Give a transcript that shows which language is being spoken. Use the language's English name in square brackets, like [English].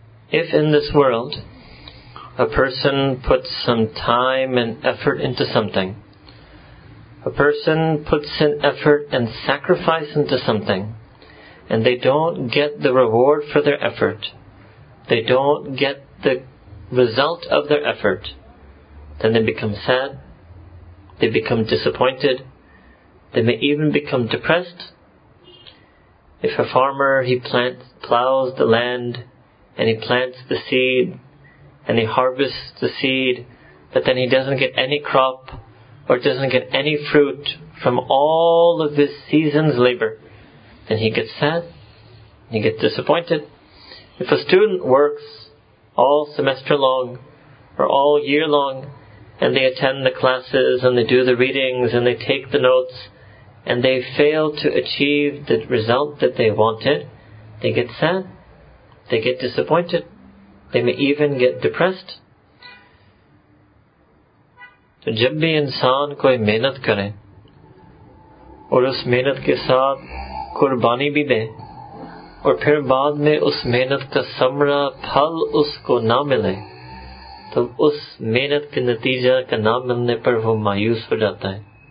[English] If in this world a person puts some time and effort into something, a person puts in effort and sacrifice into something, and they don't get the reward for their effort, they don't get the result of their effort, then they become sad, they become disappointed, they may even become depressed. If a farmer, he plows the land, and he plants the seed, and he harvests the seed, but then he doesn't get any crop, or doesn't get any fruit from all of his season's labor, then he gets sad, he gets disappointed. If a student works all semester long or all year long and they attend the classes and they do the readings and they take the notes and they fail to achieve the result that they wanted, they get sad, they get disappointed, they may even get depressed. [Urdu] تو جب بھی انسان کوئی محنت کرے اور اس محنت کے ساتھ قربانی بھی دے اور پھر بعد میں اس محنت کا ثمرہ پھل اس کو نہ ملے تو اس محنت کے نتیجہ کا نہ ملنے پر وہ مایوس ہو جاتا ہے